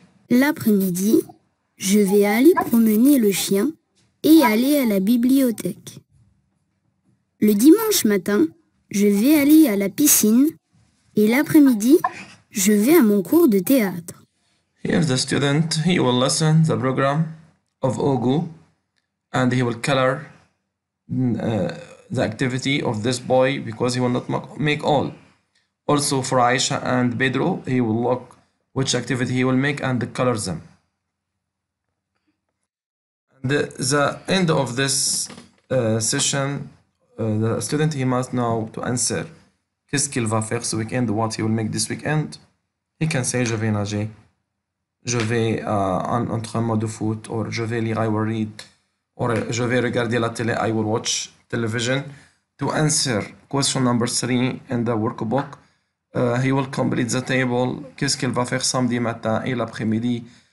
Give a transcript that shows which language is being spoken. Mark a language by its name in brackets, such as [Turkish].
[French] L'après-midi, je vais aller promener le chien et aller à la bibliothèque. Le dimanche matin, je vais aller à la piscine et l'après-midi, je vais à mon cours de théâtre. [English] Here the student, he will listen the program of Ogu and he will color the activity of this boy because he will not make all. Also for Aisha and Pedro, he will look which activity he will make and color them. The end of this session, the student he must know to answer [French] qu'est-ce qu'il va faire ce weekend, [English] what he will make this weekend. He can say [French] je vais nager, je vais en entraînement de foot, or je vais lire, [English] I will read, [French] or je vais regarder la télé, [English] I will watch television. To answer question number 3 in the workbook, he will complete the table. [French] Qu'est-ce qu'il va faire samedi matin et l'après-midi?